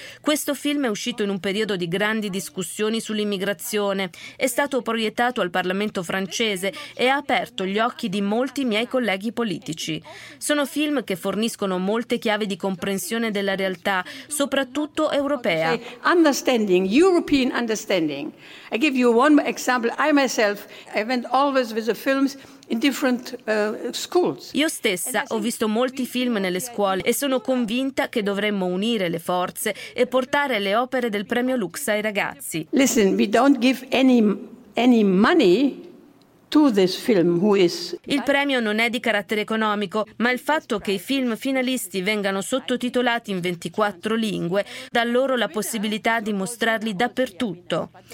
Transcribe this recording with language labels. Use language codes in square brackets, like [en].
[it] Questo film è uscito in un periodo di grandi discussioni sull'immigrazione. È stato proiettato al Parlamento francese e ha aperto gli occhi di molti miei colleghi politici. Sono film che forniscono molte chiavi di comprensione della realtà, soprattutto europea. [en] Understanding, European understanding. I give you one example. I went always with the films in different schools. [it] Io stessa ho visto molti film nelle scuole e sono convinta che dovremmo unire le forze e portare le opere del premio Lux ai ragazzi. [en] Listen, we don't give any money. [it] Il premio non è di carattere economico, ma il fatto che i film finalisti vengano sottotitolati in 24 lingue dà loro la possibilità di mostrarli dappertutto.